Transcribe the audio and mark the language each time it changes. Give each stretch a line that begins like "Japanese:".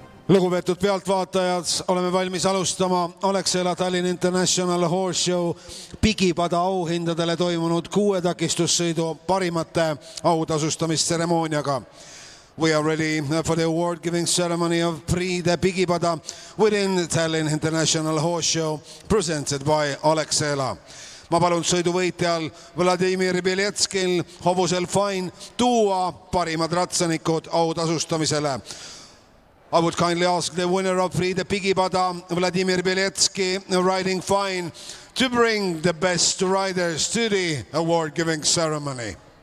Estonian: Lugupeetud pealtvaatajad, oleme valmis alustama Alexela Tallinn International Horse Show pigipada auhindadele toimunud kuuetakistussõidu parimate autasustamisseremooniaga.
English: We are ready for the award-giving ceremony of Prix de Pigipada within Tallinn International Horse Show presented by Alexela.
Estonian: Ma palun sõiduvõitjal Vladimir Bieletskil hobusel Fine tuua parimad ratsanikud autasustamisele.
English: I would kindly ask the winner of Prix de Pigipada, Vladimir Bieletski, riding Fine, to bring the best riders to the award-giving ceremony.